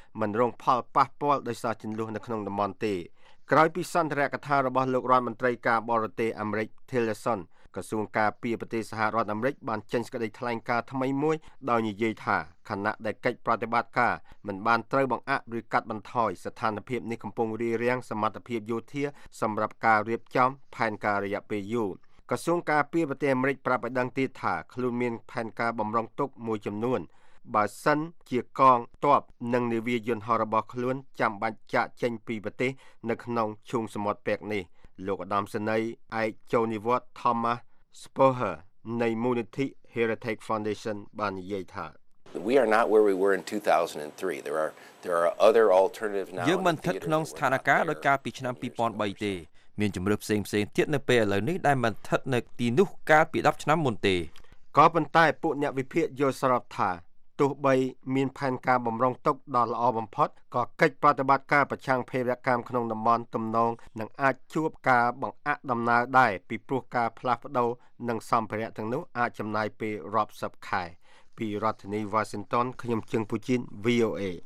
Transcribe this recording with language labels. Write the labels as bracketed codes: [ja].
[km] មិនរងផលប៉ះពាល់ដោយសារជំនួសនៅក្នុងតំបន់ទេ។ក្រោយពីសន្ទរកថារបស់លោករដ្ឋមន្ត្រីការបរទេសអាមេរិក Tillerson ក្រសួងការពារប្រទេសសហរដ្ឋអាមេរិកបានចេញសេចក្តីថ្លែងការណ៍ថ្មីមួយដោយនិយាយថាខណៈដែលកិច្ចប្រតិបត្តិការមិនបានត្រូវបង្អាក់ឬកាត់បន្ថយស្ថានភាពនេះកំពុងរារាំងសមត្ថភាពយោធាសម្រាប់ការរៀបចំផែនការរយៈពេលយូរក្រសួងការពារប្រទេសអាមេរិកប្រាប់ឲ្យដឹងទៀតថាខ្លួនមានផែនការបម្រុងទុកមួយចំនួន បើសិនជាកងទ័ពនិងនាវាយន្តហោះរបស់ខ្លួនចាំបាច់ចាកចេញពីប្រទេសនៅក្នុងឈូងសមុទ្រពែកនេះលោកឧត្តមសេនីយ៍ឯកចៅនាវត Thomas Spurher នៃ Munity Heritage Foundation បាននិយាយថា [en] We are not where we were in 2003. There are other alternatives now. [km] យើងមិនស្ថិតក្នុងស្ថានភាពដោយការពីឆ្នាំ2003ទេមានជំរឿផ្សេងផ្សេងទៀតនៅពេលឥឡូវនេះដែលមិនស្ថិតនៅទីនោះកាលពី10ឆ្នាំមុនទេ ក៏ប៉ុន្តែពួកអ្នកវិភាគយល់ស្របថាទោះបីមានផែនការបម្រុងទុកដល់ល្អបំផុតក៏កិច្ចប្រតិបត្តិការប្រឆាំងភេរវកម្មក្នុងតំបន់ទំនងនឹងអាចជួបការបង្អាក់ដំណើរដែរពីព្រោះការផ្លាស់ប្ដូរនឹងសម្ភារៈទាំងនោះអាចចំណាយពេលរាប់សិបខែពីរដ្ឋធានី Washington ខ្ញុំជើងពូជីន VOA